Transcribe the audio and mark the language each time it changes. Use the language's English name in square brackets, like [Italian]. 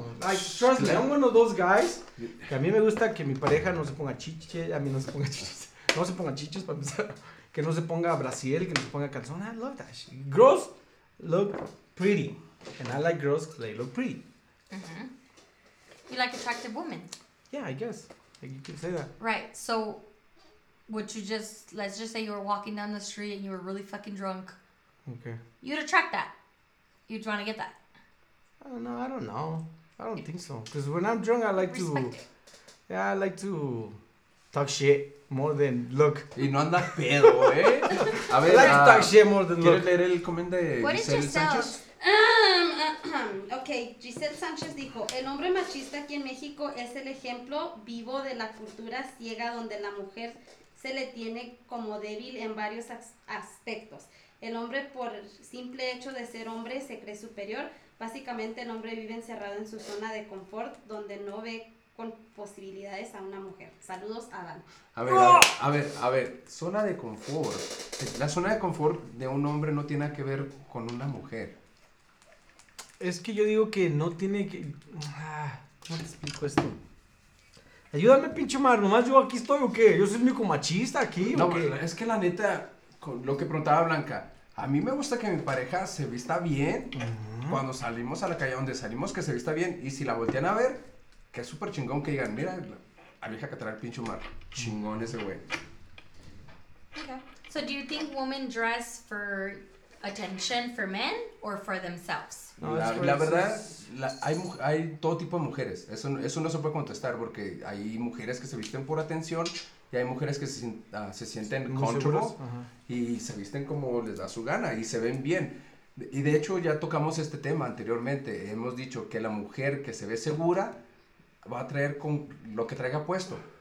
[English] Like, trust me, I'm one of those guys. [Spanish] Que a mí me gusta que mi pareja no se ponga chiche, a mí no se ponga chiches. No se ponga chiches para empezar. Que no se ponga brasier, que no se ponga calzón. [English] I love that. Girls look pretty. And I like girls because they look pretty. Uh-huh. You like attractive women? Yeah, I guess. Like, you can say that. Right, so would you just, let's just say you were walking down the street and you were really fucking drunk. Okay. You'd attract that. You'd want to get that. No, I don't know. I don't think so. Because when I'm drunk, I like respect to... it. Yeah, I like to talk shit more than look. [Spanish] Y no anda pedo, eh? A ver, [English] I like to talk shit more than look. [Spanish] ¿Quieres leer el comment de Giselle Sánchez? Okay, Giselle Sánchez dijo, el hombre machista aquí en México es el ejemplo vivo de la cultura ciega donde la mujer se le tiene como débil en varios aspectos. El hombre, por simple hecho de ser hombre, se cree superior. Básicamente, el hombre vive encerrado en su zona de confort, donde no ve con posibilidades a una mujer. Saludos, Adán. A ver, zona de confort. La zona de confort de un hombre no tiene que ver con una mujer. Es que yo digo que no tiene que... ¿cómo te explico esto? Ayúdame, pinche Mar, nomás yo aquí estoy, ¿o qué? Yo soy el único machista aquí, ¿o qué? No, es que la neta, con lo que preguntaba Blanca, a mí me gusta que mi pareja se vista bien, uh-huh, cuando salimos a la calle donde salimos, que se vista bien, y si la voltean a ver, que es súper chingón que digan, mira, a mi hija que trae el pinche Mar, chingón ese güey. Okay. [English] So, do you think women dress for attention for men or for themselves? [Spanish] La verdad, hay todo tipo de mujeres. Eso no se puede contestar porque hay mujeres que se visten por atención y hay mujeres que se sienten comfortable y se visten como les da su gana y se ven bien. Y de hecho, ya tocamos este tema anteriormente. Hemos dicho que la mujer que se ve segura va a traer con lo que traiga puesto.